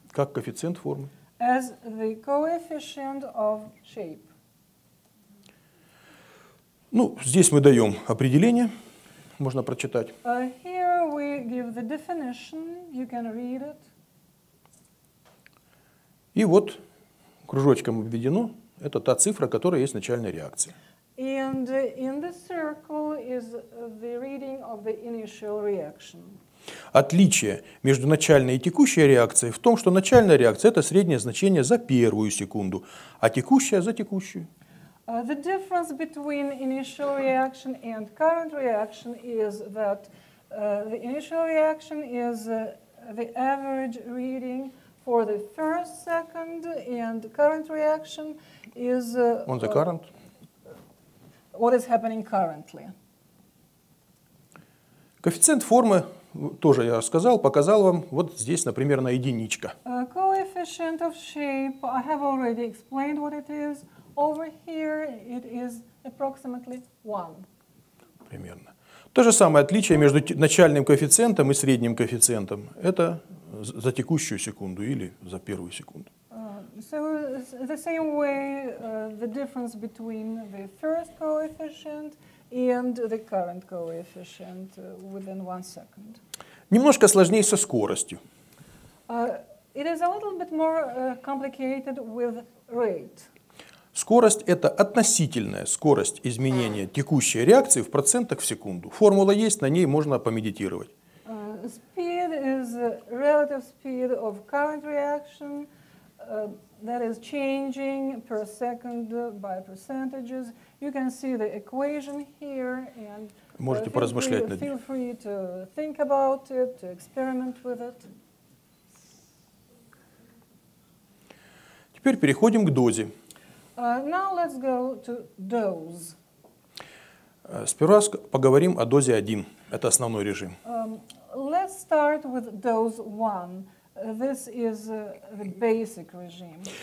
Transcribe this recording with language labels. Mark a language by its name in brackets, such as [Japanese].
[Russian] Как коэффициент формы. [English] As the coefficient of shape. [Russian] Ну, здесь мы даем определение, можно прочитать. [English] Here we give the definition, you can read it. [Russian] И вот, кружочком обведено, это та цифра, которая есть в начальной реакции. [English] And in the circle is the reading of the initial reaction. [Russian] Отличие между начальной и текущей реакцией в том, что начальная реакция — это среднее значение за первую секунду, а текущая — за текущую. [English] The difference between initial reaction and current reaction is that the initial reaction is the average reading for the first second, and current reaction is... On the current? What is happening currently. [Russian] Коэффициент формы, тоже я рассказал, показал вам вот здесь, например, на единичка. [English] Coefficient of shape, I have already explained what it is. Over here it is approximately one. [Russian] Примерно. То же самое отличие между начальным коэффициентом и средним коэффициентом. Это за текущую секунду или за первую секунду. [English] So the same way the difference between the first coefficient and the current coefficient within one second. [Russian] Немножко сложнее со скоростью. [English] It is a little bit more complicated with rate. [Russian] Скорость — это относительная скорость изменения текущей реакции в процентах в секунду. Формула есть, на ней можно помедитировать. [English] Speed is relative speed of current reaction that is changing per second by percentages. You can see the equation here. And, [Russian] можете поразмышлять над ней. [English] Feel free to think about it, to experiment with it. [Russian] Теперь переходим к дозе. [English] Now let's go to dose. [Russian] Сперва поговорим о дозе 1. Это основной режим. [English] Let's start with dose 1. This is the basic regime.